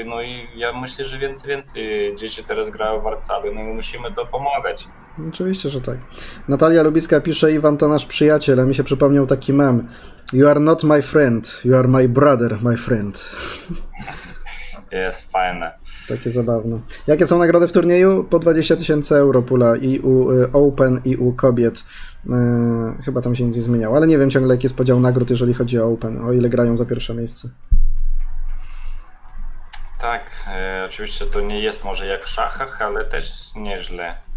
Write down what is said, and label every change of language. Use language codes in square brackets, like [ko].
[pl] No i ja myślę, że więcej dzieci teraz grają w warcaby, no i musimy to pomagać. Oczywiście, że tak. Natalia Lubiska pisze, Iwan to nasz przyjaciel, a mi się przypomniał taki mem. [en] You are not my friend, you are my brother, my friend. [pl] Jest fajne. Takie zabawne. Jakie są nagrody w turnieju? Po 20 tysięcy euro pula i u Open, i u kobiet. Chyba tam się nic nie zmieniało, ale nie wiem ciągle, jaki jest podział nagród, jeżeli chodzi o Open, o ile grają za pierwsze miejsce. Tak, oczywiście to nie jest może jak w szachach, ale też nieźle.